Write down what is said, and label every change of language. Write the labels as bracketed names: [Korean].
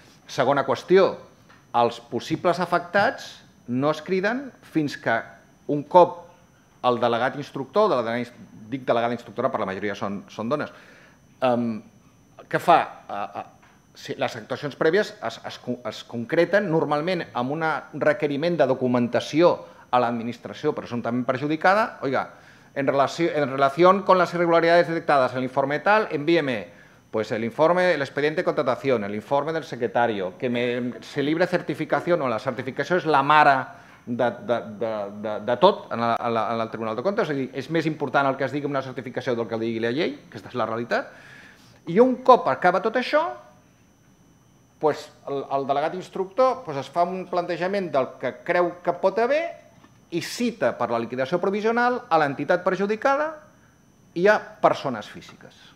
[Catalan] Segona qüestió, els possibles afectats no es criden fins que un cop el delegat instructor, dic delegada instructora, per la majoria són dones, què fa? Sí, les actuacions prèvies es concreten normalment amb un requeriment de documentació a l'administració presumptament perjudicada. [Spanish] Oiga, en relació con las irregularidades detectadas en el informe tal, envíeme pues el informe, el expediente de contratación, el informe del secretario, que me se libre certificación, o la certificación es [Catalan] la mara de tot [Spanish] en el Tribunal de Comptes. [Catalan] És a dir, és més important el que es digui una certificació del que digui la llei, aquesta és la realitat. I un cop acaba tot això, pues el delegat instructor pues es fa un plantejament del que creu que pot haver i cita per la liquidació provisional a l'entitat perjudicada i a persones físiques.